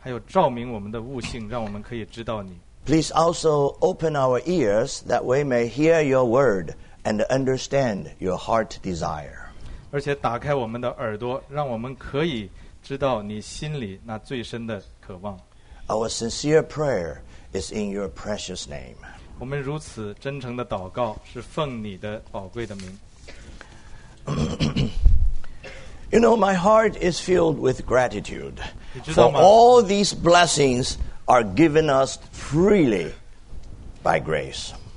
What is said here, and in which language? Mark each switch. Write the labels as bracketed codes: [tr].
[zh] 照明我们心里的眼睛，还有照明我们的悟性，让我们可以知道你。 [en] Please also open our ears that we may hear your word and understand your heart desire. [zh] 而且打开我们的耳朵，让我们可以知道你心里那最深的渴望。 [en] Our sincere prayer is in your precious name. [zh] 我们如此真诚的祷告，是奉你的宝贵的名。 [en] You know, my heart is filled with gratitude for all these blessings are given us freely by grace.